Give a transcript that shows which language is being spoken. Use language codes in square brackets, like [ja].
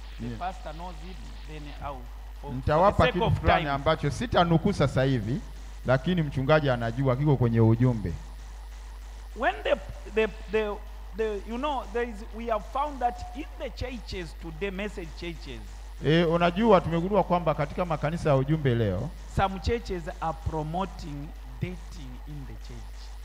[en] The yeah. Pastor knows it. Then [sw] nitawapa kitu fulani ambacho sitanuku sasa hivi, lakini mchungaji anajua kiko kwenye ujumbe. [en] When the you know there is, we have found that in the churches today, message churches. [sw] Unajua tumegundua kwamba katika makanisa ya ujumbe leo [en] some churches are promoting dating in the church.